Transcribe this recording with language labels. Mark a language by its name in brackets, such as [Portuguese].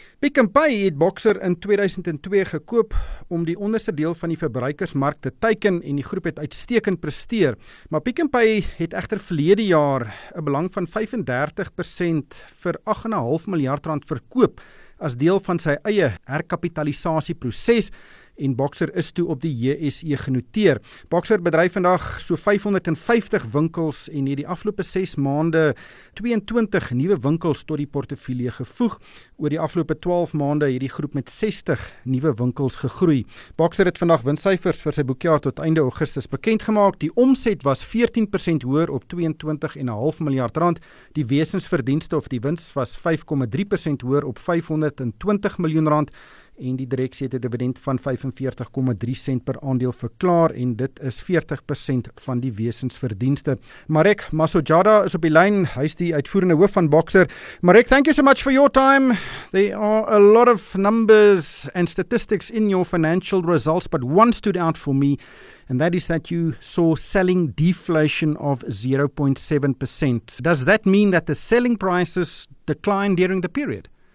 [Afrikaans] Pick n Pay het Boxer in 2002 gekoop om die onderste deel van die verbruikersmark te teiken en die groep het uitstekend presteer. Maar Pick n Pay het egter verlede jaar 'n belang van 35% vir 8,5 miljard rand verkoop as deel van sy eie herkapitalisasieproses en Boxer is toe op die JSE genoteer. Boxer bedryf vandag so 550 winkels en het die afgelope 6 maande 22 nuwe winkels tot die portefeulje gevoeg. Oor die afgelope 12 maande het die groep met 60 nuwe winkels gegroei. Boxer het vandag winssyfers vir sy boekjaar tot einde Augustus bekend gemaak. Die omset was 14% hoër op 22,5 miljard rand. Die wesensverdienste of die wins was 5,3% hoër op 520 miljoen rand. En die direksie het 'n dividend van 45,3 sent per aandeel verklaar en dit is 40% van die wesensverdienste. Marek Masojada is op die lyn, hy is die uitvoerende hoof van Boxer. [English] Marek, thank you so much for your time. There are a lot of numbers and statistics in your financial results, but one stood out for me, and that is that you saw selling deflation of 0.7%. Does that mean that the selling prices declined during the period?